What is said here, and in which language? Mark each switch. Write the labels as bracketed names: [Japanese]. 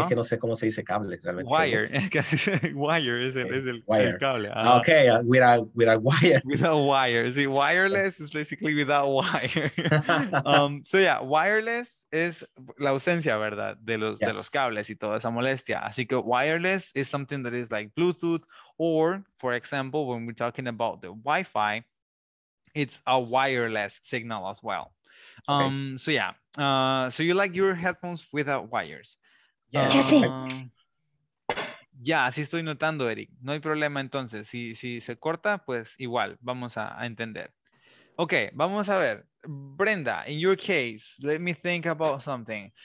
[Spanish] Es que no sé cómo se dice cable realmente. Wire. Wire es el, okay. Es el, wire. El cable. [English] Uh-huh. Okay, without wire. Without wire. Sí, wireless is basically without wire. So yeah, [Spanish] wireless es la ausencia, ¿verdad? De los, yes, de los cables y toda esa molestia. [English] Así que wireless is something that is like Bluetooth. Or, for example, when we're talking about the Wi-Fi, it's a wireless signal as well. Okay. So yeah. So you like your headphones without wires? Yes. [Spanish] Sí. Yeah, sí estoy notando, Eric. No hay problema entonces. Si se corta, pues igual, vamos a entender. Okay, vamos a ver. [English] Brenda, in your case, let me think about something.